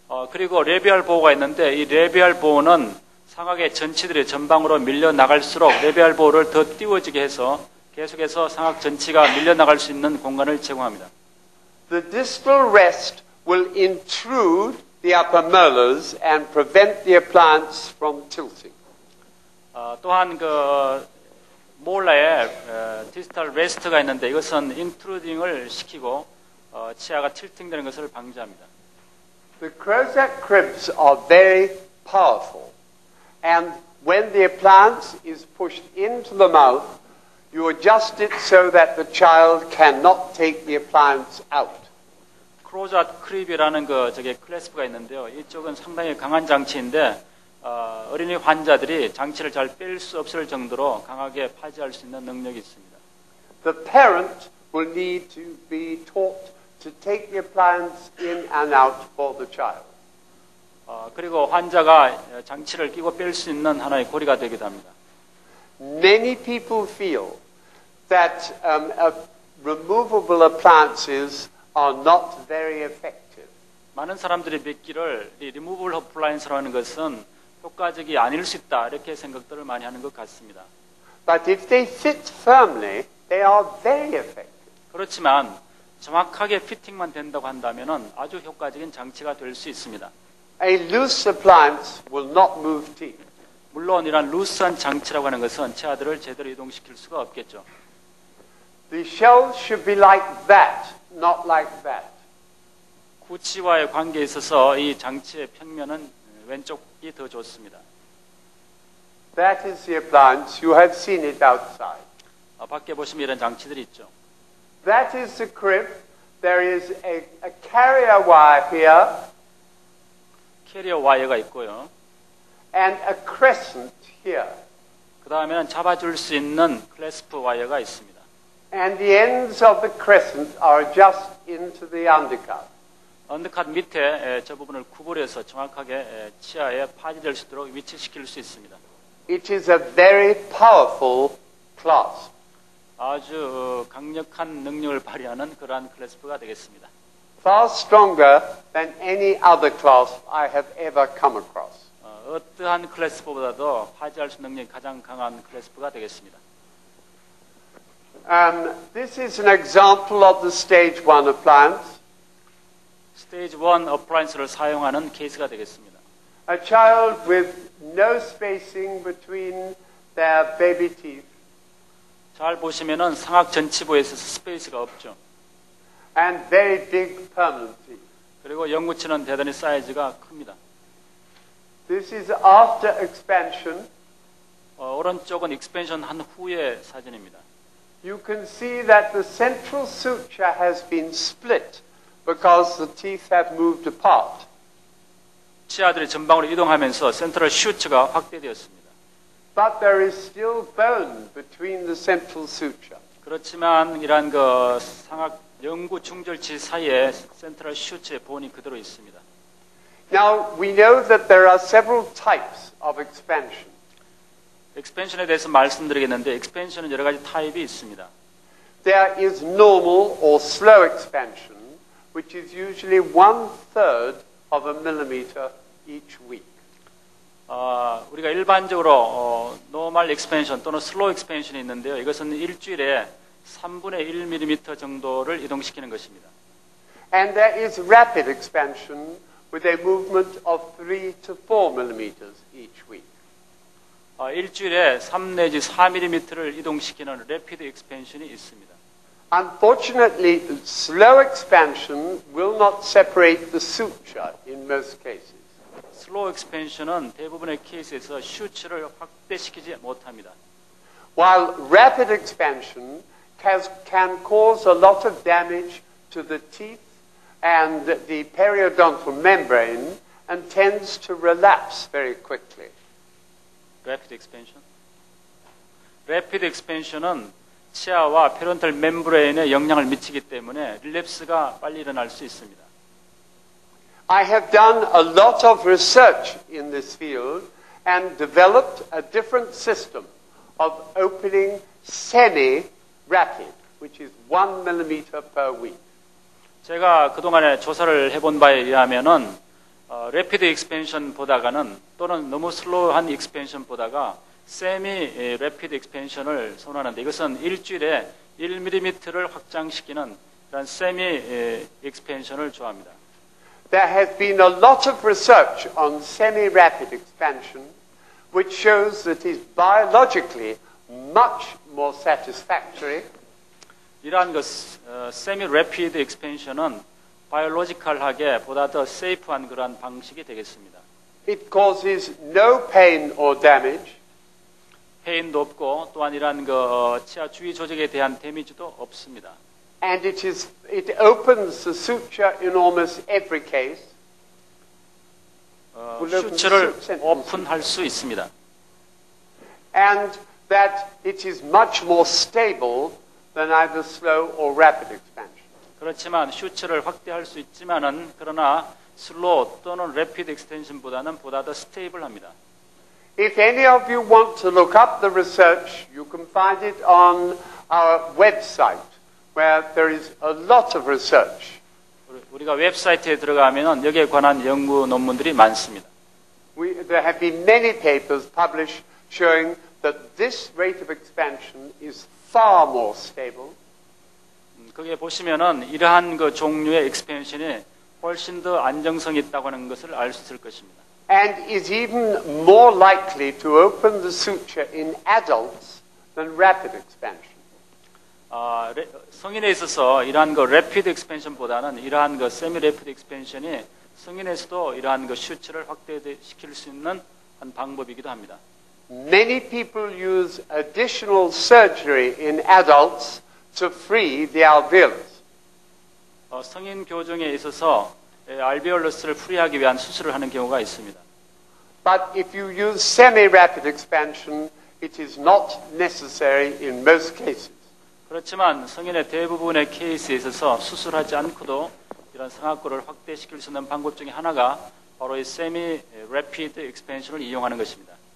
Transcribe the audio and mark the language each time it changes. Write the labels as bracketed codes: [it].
[ko] 그리고 레비알 보호가 있는데 이 레비알 보호는 상악의 전치들이 전방으로 밀려나갈수록 레비알 보호를 더 띄워지게 해서 계속해서 상악 전치가 밀려나갈 수 있는 공간을 제공합니다. [en] The distal rest will intrude the upper molars and prevent the appliance from tilting. [ko] 또한 그 몰라에 디지털 레스트가 있는데 이것은 인트루딩을 시키고 치아가 틸팅되는 것을 방지합니다. [en] The Crozat cribs are very powerful. And when the appliance is pushed into the mouth, you adjust it so that the child cannot take the appliance out. [ko] Crozat crib이라는 그 저게 클래스프가 있는데요. 이쪽은 상당히 강한 장치인데 어린이 환자들이 장치를 잘 뺄 수 없을 정도로 강하게 파지할 수 있는 능력이 있습니다. [en] The parent will need to be taught to take the appliance in and out for the child. [ko] 그리고 환자가 장치를 끼고 뺄 수 있는 하나의 고리가 되기도 합니다. [en] Many people feel that removable appliances are not very effective. [ko] 많은 사람들이 믿기를 이 리무블 어플라이언스라고 하는 것은 효과적이 아닐 수 있다 이렇게 생각들을 많이 하는 것 같습니다. [en] But if they fit firmly, they are very effective. [ko] 그렇지만 정확하게 피팅만 된다고 한다면은 아주 효과적인 장치가 될 수 있습니다. [en] A loose appliance will not move teeth. [ko] 물론 이런 루스한 장치라고 하는 것은 치아들을 제대로 이동시킬 수가 없겠죠. [en] The shell should be like that, not like that. [ko] 구치와의 관계에 있어서 이 장치의 평면은 왼쪽이 더 좋습니다. [en] That is the appliance. You have seen it outside. [ko] 밖에 보시면 이런 장치들이 있죠. [en] That is the crib. There is a carrier wire here. [ko] 캐리어 와이어가 있고요. [en] And a crescent here. [ko] 그 다음에는 잡아줄 수 있는 클래스프 와이어가 있습니다. [en] And the ends of the crescent are just into the undercut. [ko] 언더컷 밑에 저 부분을 구부려서 정확하게 치아에 파지될 수 있도록 위치시킬 수 있습니다. [en] It is a very powerful clasp. [ko] 아주 강력한 능력을 발휘하는 그러한 클래스프가 되겠습니다. [en] Far stronger than any other clasp I have ever come across. [ko] 어떠한 클래스프보다도 파지할 수 있는 능력이 가장 강한 클래스프가 되겠습니다. [en] This is an example of the stage 1 appliance. [ko] Stage 1 appliance를 사용하는 케이스가 되겠습니다. [en] A child with no spacing between their baby teeth. [ko] 잘 보시면은 상악 전치부에서 스페이스가 없죠. [en] And very big permanent teeth. [ko] 그리고 영구치는 대단히 사이즈가 큽니다. [en] This is after expansion. [ko] 오른쪽은 expansion 한 후의 사진입니다. [en] You can see that the central suture has been split. Because the teeth have moved apart. [ko] 치아들이 전방으로 이동하면서 센트럴 슈처가 확대되었습니다. [en] But there is still bone between the central suture. [ko] 그렇지만 이러한 그 상악 영구 중절치 사이에 센트럴 슈처의 본이 그대로 있습니다. [en] Now we know that there are several types of expansion. [ko] Expansion에 대해서 말씀드리겠는데 expansion은 여러 가지 타입이 있습니다. [en] There is normal or slow expansion. Which is usually 1/3 of a millimeter each week. [ko] 우리가 일반적으로 normal expansion 또는 slow expansion이 있는데요. 이것은 일주일에 3분의 1mm 정도를 이동시키는 것입니다. [en] And there is rapid expansion with a movement of 3 to 4mm each week. [ko] 일주일에 3 내지 4mm를 이동시키는 rapid expansion이 있습니다. [en] Unfortunately, slow expansion will not separate the suture in most cases. [ko] Slow expansion은 대부분의 케이스에서 슈츠를 확대시키지 못합니다. [en] While rapid expansion can cause a lot of damage to the teeth and the periodontal membrane and tends to relapse very quickly. Rapid expansion. [ko] Rapid expansion은 치아와 페론탈 멤브레인에 영향을 미치기 때문에 릴랩스가 빨리 일어날 수 있습니다. [en] I have done a lot of research in this field and developed a different system of opening semi-rapid, which is 1mm per week. [ko] 제가 그동안에 조사를 해본 바에 의하면은 래피드 익스펜션 보다가는 또는 너무 슬로우한 익스펜션 보다가 세미 래피드 익스펜션을 선호하는데 이것은 일주일에 1mm를 확장시키는 그런 세미 익스펜션을 좋아합니다. [en] There has been a lot of research on semi-rapid expansion which shows that it is biologically much more satisfactory. [ko] 이러한 것, semi-rapid expansion은 바이올로지컬하게 보다 더 세이프한 그러한 방식이 되겠습니다. [en] It causes no pain or damage. [ko] 페인도 없고 또한 이러한 그 치아 주위 조직에 대한 데미지도 없습니다. [en] And it opens the suture in almost every case. [ko] 슈츠를 오픈할 수 있습니다. [en] And that it is much more stable than either slow or rapid expansion. [ko] 그렇지만 슈츠를 확대할 수 있지만은 그러나 슬로우 또는 래피드 익스텐션보다는 보다 더 스테이블합니다. [en] If any of you want to look up the research, you can find it on our website where there is a lot of research. [ko] 우리가 웹사이트에 들어가면은 여기에 관한 연구 논문들이 많습니다. [en] There have been many papers published showing that this rate of expansion is far more stable. [ko] 거기에 보시면은 이러한 그 종류의 익스펜션이 훨씬 더 안정성이 있다고 하는 것을 알 수 있을 것입니다. [en] And is even more likely to open the suture in adults than rapid expansion. [ko] 성인에 있어서 이러한 그 rapid expansion보다는 이러한 그 semi-rapid expansion이 성인에서도 이러한 그 슈츠를 확대시킬 수 있는 한 방법이기도 합니다. [en] Many people use additional surgery in adults to free the alveolus. [ko] 성인 교정에 있어서 알베올러스를 프리하기 위한 수술을 하는 경우가 있습니다. [en] But if you use semi-rapid expansion, it is not necessary in most cases. [ko] 그렇지만 성인의 대부분의 케이스에 있어서 수술하지 않고도 이런 상악골을 확대시킬 수 있는 방법 중에 하나가 바로 이 semi-rapid expansion을 이용하는 것입니다.